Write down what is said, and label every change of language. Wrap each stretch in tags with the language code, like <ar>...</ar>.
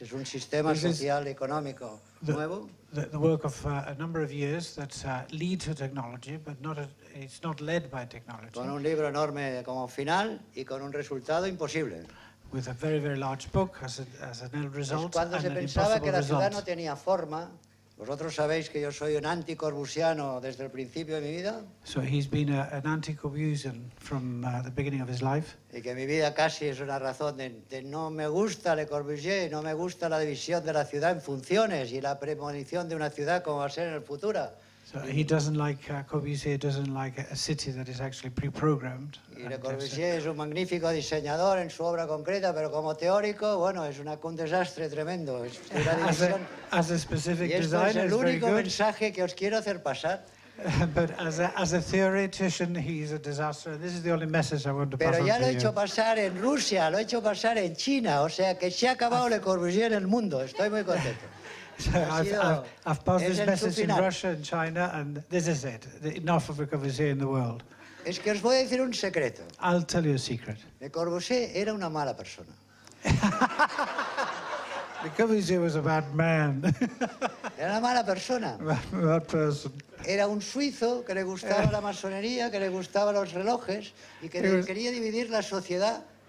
<es>Es un sistema social y económico nuevo.</es> <en>The work of a number of years that leads to technology, but it's not led by technology.</en> <es>Con un libro enorme como final y con un resultado imposible.</es> <en>With a very, very large book as an end result.</en> <es>Es cuando se pensaba que la ciudad no tenía forma. ¿Vosotros sabéis que yo soy un anticorbusiano desde el principio de mi vida?</es> <en>So he's been an anticorbusian from the beginning of his life.</en> <es>Y que mi vida casi es una razón de no me gusta Le Corbusier, no me gusta la división de la ciudad en funciones y la premonición de una ciudad como va a ser en el futuro.</es> <en>So he doesn't like Corbusier, doesn't like a city that is actually pre-programmed.</en> <es>Y Le Corbusier es un magnífico diseñador en su obra concreta, pero como teórico, bueno, es un desastre tremendo. Es una</es> <en>as a specific</en> <es>y</es> <en>designer,</en> <es>es el único mensaje que os quiero hacer pasar.</es> <en>But as a theoretician, he's a disaster. And this is the only message I want to pass on to</en> <es>Pero ya lo</es> <en>he</en> <es>hecho pasar en Rusia, lo he hecho pasar en China. O sea, que se ha acabado Le Corbusier en el mundo. Estoy muy contento.</es> <en>I've passed this message in Russia and China, and this is it. Enough of Le Corbusier in the world.</en> <es>Es que os voy a decir un secreto.</es> <en>I'll tell you a secret.</en> <es>Le Corbusier era una mala persona.</es> <en>Le Corbusier was a bad man.</en> <es>Era una mala persona.</es> <en>Bad person.</en> <es>Era un suizo que le gustaba la masonería, que le gustaban los relojes, y que quería dividir la sociedad.</es>